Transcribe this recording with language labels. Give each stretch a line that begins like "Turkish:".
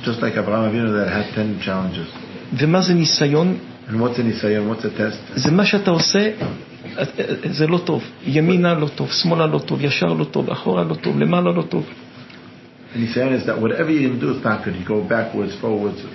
English: just like Abraham Avinu that had 10 challenges.
Hebrew: ומה זה ניסיון?
English: And what's a ניסיון? What's a test?
Hebrew: זה מה שאתה עושה, זה לא טוב. ימינה לא טוב, שמאלה לא טוב, ישר לא טוב, אחורה לא טוב, למעלה לא טוב.
English: A ניסיון is that whatever you do is not good. You go backwards, forwards.